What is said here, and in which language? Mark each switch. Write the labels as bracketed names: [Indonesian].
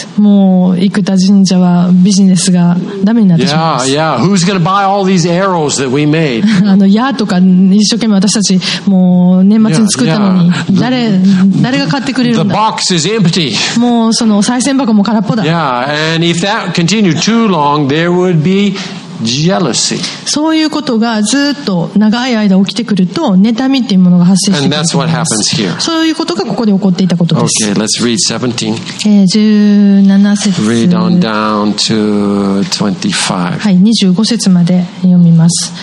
[Japanese] もう生田神社はビジネスがダメになってしまいます。 [English] Yeah, yeah. Who's gonna buy all these arrows that we made? [Japanese] あの矢とか一生懸命私たちもう年末に作ったのに、 誰が買ってくれるんだ。 [English] The box is empty. [Japanese] もうそのお賽銭箱も空っぽだ。 [English] Yeah, and if that continued too long, there would be jealousy. [Japanese] そういうことがずっと長い間起きてくると妬みっていうものが発生してくるんです。そういうことがここで起こっていたことです。 [English] Okay, let's read 17. [Japanese] 17節、 [English] Read on down to 25. [Japanese] はい、25節まで読みます。